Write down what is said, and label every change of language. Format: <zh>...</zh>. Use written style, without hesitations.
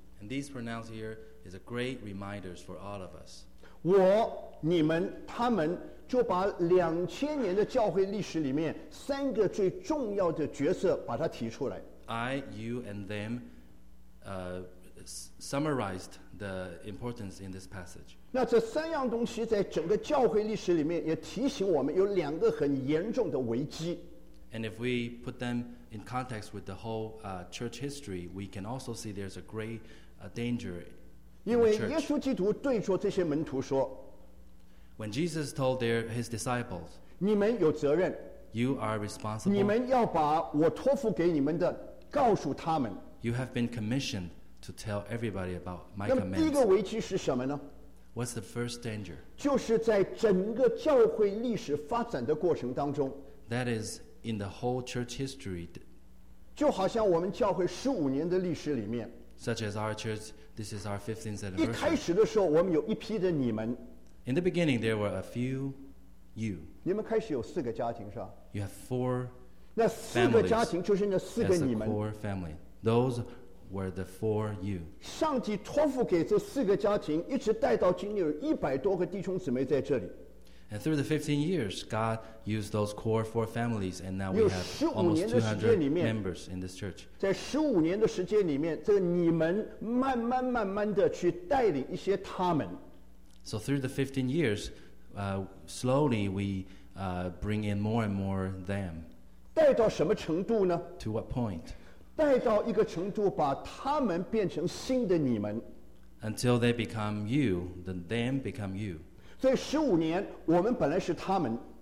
<en>And these pronouns here is a great reminders for all of us.</en> <zh>我、你们、他们就把两千年的教会历史里面三个最重要的角色把它提出来。</zh> <en>I, you, and them, summarized the importance in this passage.</en> <zh>那这三样东西在整个教会历史里面也提醒我们有两个很严重的危机。</zh> <en>And if we put them in context with the whole church history, we can also see there's a great danger in the church.</en> <zh>因为耶稣基督对着这些门徒说，</zh> <en>When Jesus told his disciples,</en> <zh>你们有责任，</zh> <en>You are responsible.</en> <zh>你们要把我托付给你们的告诉他们，</zh> <en>You have been commissioned. To tell everybody about my</en> <zh>那么第一个危机是什么呢？</zh> <en>What's the first danger?</en> <zh>就是在整个教会历史发展的过程当中。</zh> <en>That is in the whole church history.</en> <zh>就好像我们教会十五年的历史里面。</zh> <en>Such as our church, this is our 15th anniversary.</en> <zh>一开始的时候，我们有一批的你们。</zh> <en>In the beginning, there were a few you.</en> <zh>你们开始有四个家庭是吧？</zh> <en>You have four.</en> <zh>那四个家庭就是那四个你们。</zh> <en>That's the core family. Those. Were the four you.</en> <zh>上帝托付给这四个家庭，一直带到今天有一百多个弟兄姊妹在这里。</zh> <en>And through the 15 years, God used those core four families, and now we have almost 200 members in this church.</en> <zh>在十五年的时间里面，这你们慢慢慢慢的去带领一些他们。</zh> <en>So through the 15 years, slowly we bring in more and more them.</en> <zh>带到什么程度呢</zh> <en>？To what point?</en> <zh>带到一个程度，把他们变成新的你们。</zh> <en>Until they become you, then them become you.</en> <zh>所以十五年，我们本来是他们。</zh>